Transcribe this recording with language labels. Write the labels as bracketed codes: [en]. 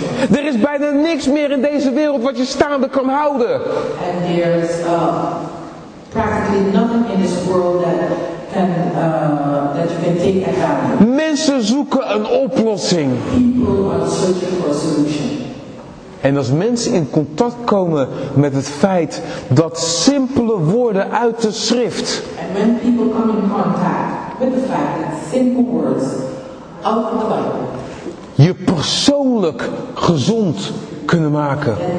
[nl] Er is bijna niks meer in deze wereld wat je staande kan houden. [en] And there's practically nothing in this world that you can take advantage. [nl] Mensen zoeken een oplossing. [en] People are searching for a solution. [nl] En als mensen in contact komen met het feit dat simpele woorden uit de schrift. [en] And when people come in contact with the fact that simple words out of the Bible. [nl] Je persoonlijk gezond kunnen maken.